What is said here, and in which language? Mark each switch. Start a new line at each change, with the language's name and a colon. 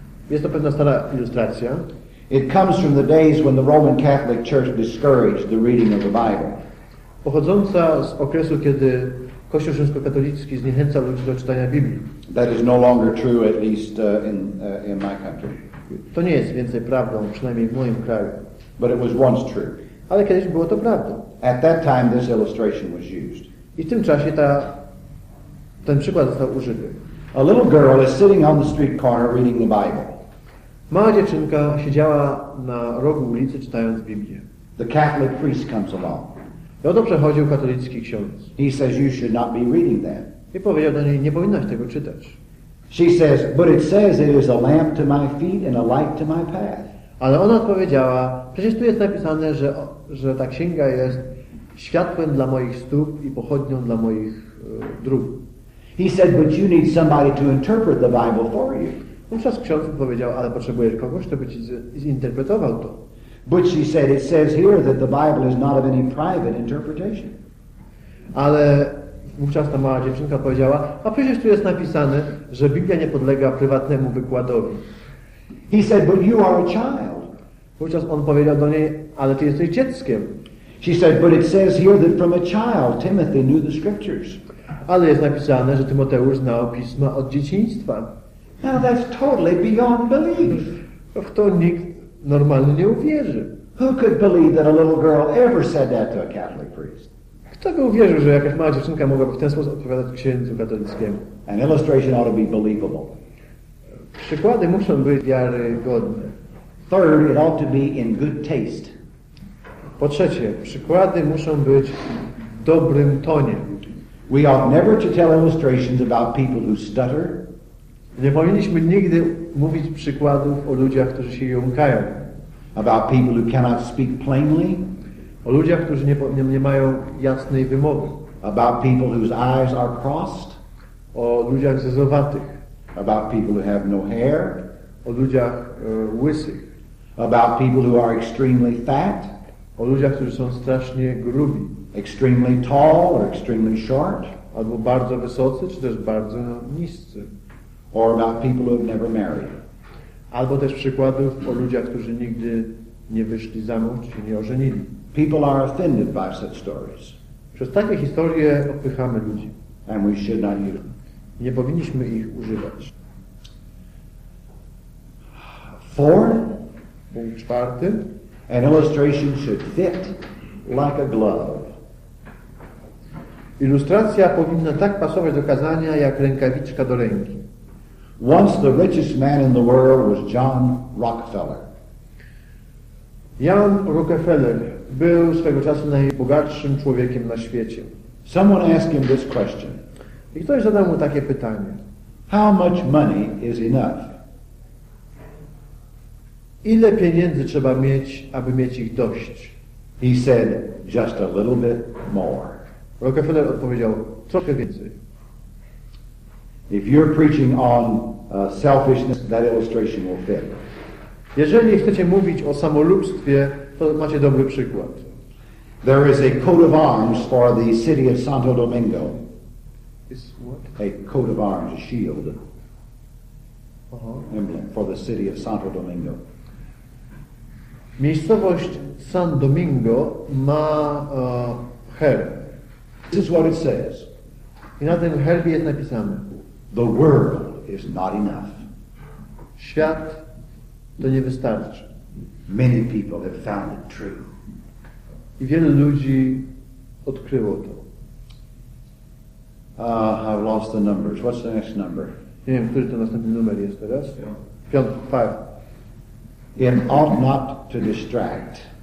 Polish: Jest to pewna stara ilustracja.
English: It comes from the days when the Roman Catholic Church discouraged the reading of the Bible.
Polish: Pochodząca z okresu, kiedy Kościół rzymskokatolicki zniechęcał ludzi do czytania Biblii.
English: That is no longer true, at least in my country.
Polish: To nie jest więcej prawdą, przynajmniej w moim kraju.
English: But it was once true.
Polish: Ale kiedyś było to prawdą.
English: At that time, this illustration was used.
Polish: I w tym czasie ten przykład został użyty.
English: A little girl is sitting on the street corner reading the Bible.
Polish: Mała dziewczynka siedziała na rogu ulicy czytając Biblię.
English: The Catholic priest comes along.
Polish: I oto przechodził katolicki ksiądz.
English: He says you should not be reading that.
Polish: I powiedział do niej, nie powinnaś tego czytać.
English: She says, but it says it is a lamp to my feet and a light to my path.
Polish: Ale ona odpowiedziała, przecież tu jest napisane, że ta księga jest światłem dla moich stóp i pochodnią dla moich dróg.
English: He said, but you need somebody to interpret the Bible for you.
Polish: Wówczas ksiądz powiedział, ale potrzebujesz kogoś, kto by ci zinterpretował to.
English: But she said, it says here that the Bible is not of any private interpretation.
Polish: Ale wówczas ta mała dziewczynka powiedziała, a przecież tu jest napisane, że Biblia nie podlega prywatnemu wykładowi.
English: He said, but you are a child.
Polish: Wówczas on powiedział do niej, ale ty jesteś dzieckiem.
English: She said, but it says here that from a child Timothy knew the scriptures.
Polish: Ale jest napisane, że Tymoteusz znał pisma od dzieciństwa.
English: Now that's totally beyond belief.
Polish: W to nikt normalnie nie uwierzy.
English: Who could believe that a little girl ever said that to a Catholic priest?
Polish: Kto by uwierzył, że jakaś mała dziewczynka mogłaby w ten sposób odpowiadać księdzu katolickiemu?
English: An illustration ought to be believable.
Polish: Przykłady muszą być wiarygodne.
English: Third, it ought to be in good taste.
Polish: Po trzecie, przykłady muszą być w dobrym tonie.
English: We ought never to tell illustrations about people who stutter.
Polish: Nie powinniśmy nigdy mówić przykładów o ludziach, którzy się jąkają.
English: About people who cannot speak plainly.
Polish: O ludziach, którzy nie mają jasnej wymowy.
English: About people whose eyes are crossed.
Polish: O ludziach zezowatych.
English: About people who have no hair.
Polish: O ludziach łysych.
English: About people who are extremely fat.
Polish: O ludziach, którzy są strasznie grubi.
English: Extremely tall or extremely short.
Polish: Albo bardzo wysocy, czy też bardzo niscy.
English: Or about people who have never married.
Polish: Albo też przykładów o ludziach, którzy nigdy nie wyszli za mąż, czy nie ożenili.
English: People are offended by such stories.
Polish: Przez takie historie odpychamy ludzi.
English: And we should not use.
Polish: Nie powinniśmy ich używać.
English: Four.
Polish: Punkt czwarty.
English: An illustration should fit like a glove.
Polish: Ilustracja powinna tak pasować do kazania, jak rękawiczka do ręki.
English: Once the richest man in the world was John Rockefeller.
Polish: Jan Rockefeller był swego czasu najbogatszym człowiekiem na świecie.
English: Someone asked him this question.
Polish: I ktoś zadał mu takie pytanie.
English: How much money is enough?
Polish: Ile pieniędzy trzeba mieć, aby mieć ich dość?
English: He said, just a little bit more.
Polish: Rockefeller odpowiedział, trochę więcej.
English: If you're preaching on selfishness, that illustration will fit.
Polish: Jeżeli chcecie mówić o samolubstwie, to macie dobry przykład.
English: There is a coat of arms for the city of Santo Domingo. It's what? A coat of arms, a shield. Uh-huh. Emblem for the city of Santo Domingo.
Polish: Miejscowość San Domingo ma herb.
English: This is what it says.
Polish: I na tym herbie jest napisane.
English: The world is not enough.
Polish: Świat to nie wystarczy.
English: Many people have found it true.
Polish: I wielu ludzi odkryło to.
English: I've lost the numbers. What's the next number?
Polish: Nie wiem, który to następny numer jest teraz.
English: Five. It ought not to distract.